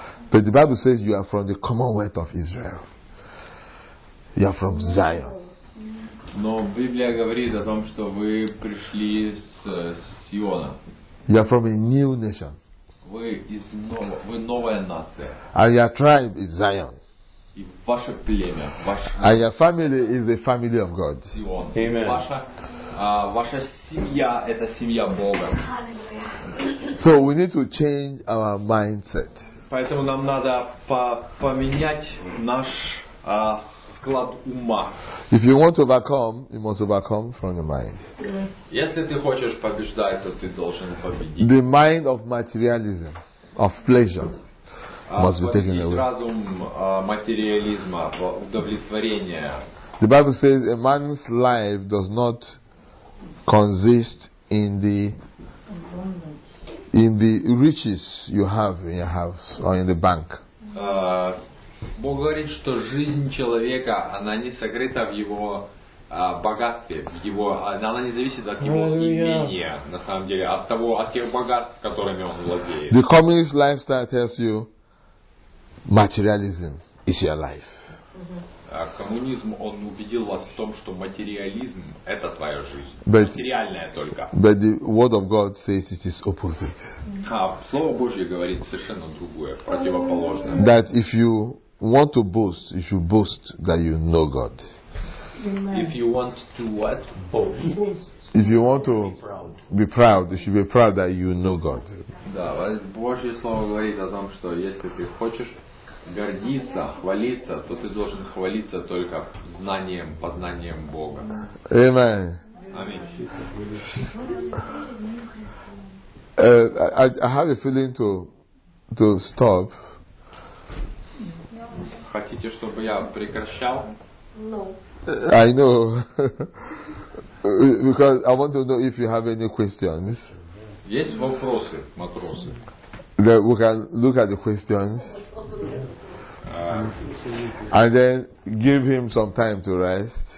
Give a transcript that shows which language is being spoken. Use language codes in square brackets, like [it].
[en] But the Bible says you are from the commonwealth of Israel. You are from Zion. [ru] Но Библия говорит о том, что вы пришли с Сиона. [en] You are from a new nation. [ru] Вы новая нация. [en] And your tribe is Zion. [ru] И ваше племя, ваш. [en] And your family is the family of God. [ru] Сион. [en] Amen. [ru] Ваша семья это семья Бога. [en] So we need to change our mindset. [ru] Поэтому нам надо поменять наш склад ума. [en] If you want to overcome, you must overcome from your mind. Yes. [ru] Если ты хочешь побеждать, то ты должен победить. [en] The mind of materialism, of pleasure, must be taken away. [ru] Разум материализма, удовлетворения. [en] The Bible says a man's life does not consist in the riches you have in your house or in the bank. [ru] Бог говорит, что жизнь человека, она не сокрыта в его богатстве, в его, она не зависит от его имения, на самом деле, от того, от тех богатств, которыми он владеет. [en] The communist lifestyle tells you materialism. is your life. [ru] Коммунизм, он убедил вас в том, что материализм – это твоя жизнь. Материальная только. [en] But the word of God says it is opposite. [ru] А слово Божье говорит совершенно другое, противоположное. [en] That if you want to boast, you should boast that you know God. If you want to what? Boast. If you want to be proud, you should be proud that you know God. [ru] Да, Божье слово говорит о том, что если ты хочешь гордиться, хвалиться, то ты должен хвалиться только знанием, познанием Бога. [en] Amen. [ru] Аминь. [en] I have a feeling to stop. [ru] Хотите, чтобы я прекращал? [en] No. I know. Because I want to know if you have any questions. [ru] Есть вопросы, матросы? [en] That we can look at the questions. And then give him some time to rest.